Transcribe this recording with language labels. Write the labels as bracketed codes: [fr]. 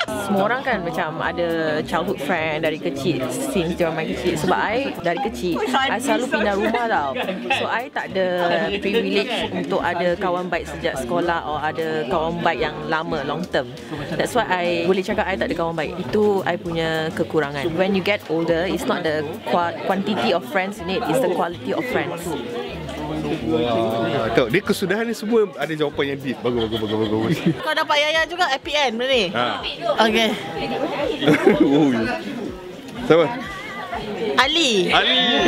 [ms] Semua orang kan macam ada [en] childhood friend [ms] dari kecil, since dia orang main kecil. Sebab I dari kecil, I selalu pindah rumah tau. So I tak ada privilege untuk ada kawan baik sejak sekolah atau ada kawan baik yang lama, [en] long term. That's why [ms] I boleh cakap I tak ada kawan baik. Itu I punya kekurangan. [en] When you get older, it's not the quantity of friends in it, it's the quality of friends. [ms] Wow. Dia kesudahan ni semua ada jawapan yang deep. Bagus. Kau dapat Yaya juga [en] happy end [ms] benda ni? Haa. Okay. Siapa? Ali. Ali.